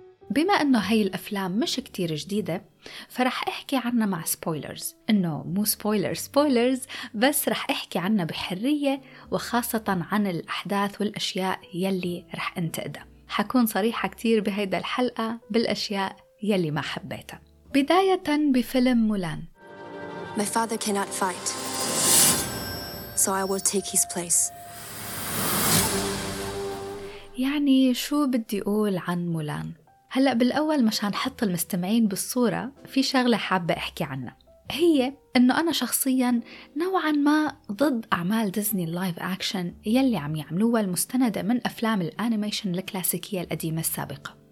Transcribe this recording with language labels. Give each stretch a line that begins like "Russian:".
Arabic: بما أنه هاي الأفلام مش كتير جديدة فرح أحكي عنها مع سبويلرز، أنه مو سبويلرز بس رح أحكي عنها بحرية، وخاصة عن الأحداث والأشياء يلي رح أنتقدها. حكون صريحة كتير بهيدا الحلقة بالأشياء يلي ما حبيتها. بداية بفيلم مولان.
English: My father cannot fight, so I will take his place.
Arabic: يعني شو بدي أقول عن مولان؟ هلأ بالأول مشان حط المستمعين بالصورة، في شغلة حابة أحكي عنها، هي أنه أنا شخصياً نوعاً ما ضد أعمال ديزني اللايف أكشن يلي عم يعملوها المستندة من أفلام الأنيميشن الكلاسيكية القديمة السابقة.